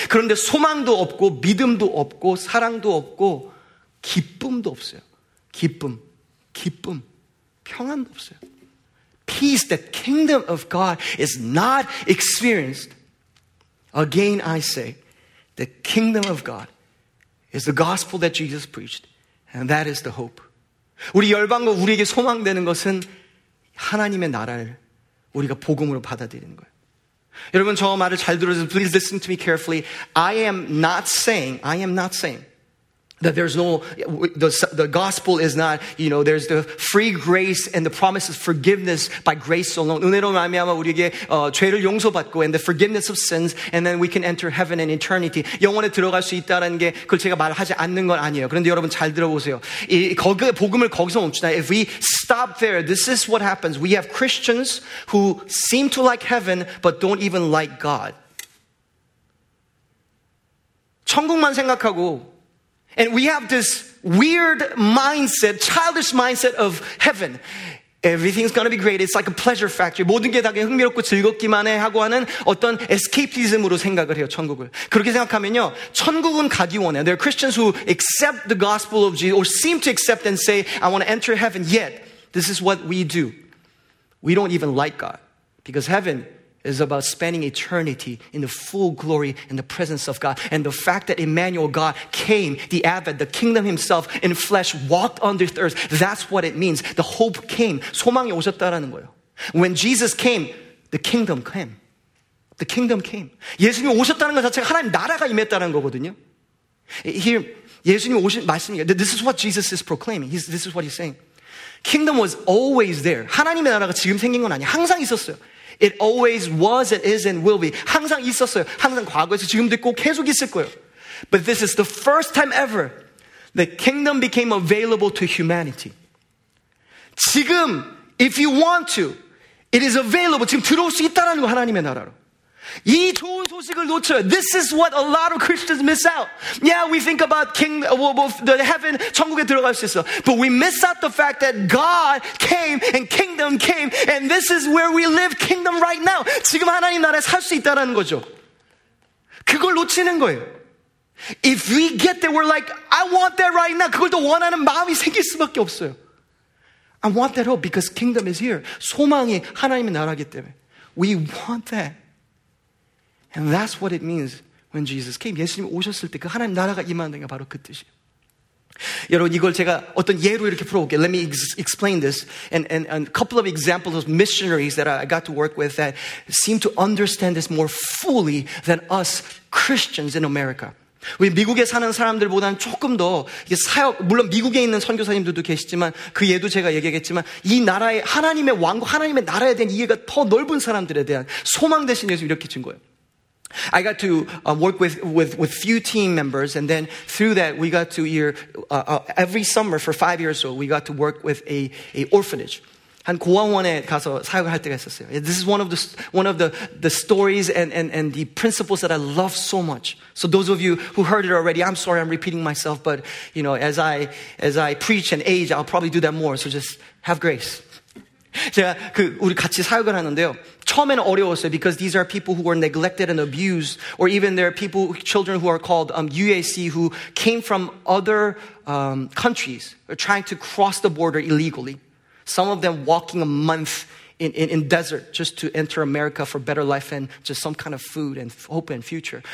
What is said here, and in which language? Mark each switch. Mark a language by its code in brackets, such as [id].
[ko] 그런데 소망도 없고 믿음도 없고 사랑도 없고 기쁨도 없어요. 기쁨, 평안도 없어요. [en] Peace, the kingdom of God is not experienced. Again, I say, the kingdom of God is the gospel that Jesus preached, and that is the hope. [ko] 우리 열방과 우리에게 소망되는 것은 하나님의 나라를 우리가 복음으로 받아들이는 거예요. 여러분, 저 말을 잘 들어주세요. [en] Please listen to me carefully. I am not saying. That there's no, the gospel is not, you know, there's the free grace and the promise of forgiveness by grace alone. [ko] 은혜로 말미암아 우리에게 죄를 용서받고 [en] and the forgiveness of sins and then we can enter heaven and eternity. [ko] 영원에 들어갈 수 있다는 게 그걸 제가 말하지 않는 건 아니에요. 그런데 여러분 잘 들어보세요. 거기 복음을 거기서 멈추다. [en] If we stop there, this is what happens. We have Christians who seem to like heaven but don't even like God. [ko] 천국만 생각하고 [en] And we have this weird mindset, childish mindset of heaven. Everything's going to be great. It's like a pleasure factory. [ko] 모든 게 다 흥미롭고 즐겁기만 해 하고 하는 어떤 escapism으로 생각을 해요, 천국을. 그렇게 생각하면요, 천국은 가기 원해요. [en] There are Christians who accept the gospel of Jesus or seem to accept and say, I want to enter heaven. Yet, this is what we do. We don't even like God because heaven is about spending eternity in the full glory and the presence of God. And the fact that Emmanuel, God, came, the Advent, the kingdom himself in flesh, walked on this earth, that's what it means. The hope came. [ko] 소망이 오셨다라는 거예요. [en] When Jesus came, the kingdom came. The kingdom came. [ko] 예수님이 오셨다는 것 자체가 하나님 나라가 임했다는 거거든요. [en] Here, [ko] 예수님이 오신 말씀이에요. [en] This is what Jesus is proclaiming. This is what he's saying. Kingdom was always there. [ko] 하나님의 나라가 지금 생긴 건 아니에요. 항상 있었어요. [en] It always was, it is, and will be. [ko] 항상 있었어요. 항상 과거에서 지금도 있고 계속 있을 거예요. [en] But this is the first time ever the kingdom became available to humanity. 지금, if you want to, it is available. [ko] 지금 들어올 수 있다라는 거 하나님의 나라로. 이 좋은 소식을 놓쳐요. [en] This is what a lot of Christians miss out. Yeah, we think about king, the heaven, [ko] 천국에 들어갈 수 있어. [en] But we miss out the fact that God came and kingdom came and this is where we live kingdom right now. [ko] 지금 하나님 나라에 살 수 있다라는 거죠. 그걸 놓치는 거예요. [en] If we get there, we're like, I want that right now. [ko] 그걸 또 원하는 마음이 생길 수밖에 없어요. [en] I want that hope because kingdom is here. [ko] 소망이 하나님의 나라이기 때문에. [en] We want that. And that's what it means when Jesus came. [ko] 예수님이 오셨을 때 그 하나님 나라가 임하는 게 바로 그 뜻이에요. 여러분 이걸 제가 어떤 예로 이렇게 풀어볼게요. [en] Let me explain this. And a couple of examples of missionaries that I got to work with that seem to understand this more fully than us Christians in America. [ko] 우리 미국에 사는 사람들보다는 조금 더 이게 사역, 물론 미국에 있는 선교사님들도 계시지만 그 예도 제가 얘기하겠지만 이 나라의 하나님의 왕국, 하나님의 나라에 대한 이해가 더 넓은 사람들에 대한 소망 대신 예수 이렇게 준 거예요. [en] I got to work with few team members, and then through that, we got to hear every summer for 5 years. So we got to work with a orphanage. [ko] 한 고아원에 가서 사역을 할 때가 있었어요. [en] This is one of the stories and the principles that I love so much. So those of you who heard it already, I'm sorry, I'm repeating myself, but you know, as I preach and age, I'll probably do that more. So just have grace. [ko] 제가 그 우리 같이 사역을 하는데요. 처음에는 어려웠어요. [en] Because these are people who were neglected and abused, or even there are people, children who are called UAC, who came from other countries, or trying to cross the border illegally. Some of them walking a month in desert just to enter America for better life and just some kind of food and hope and future.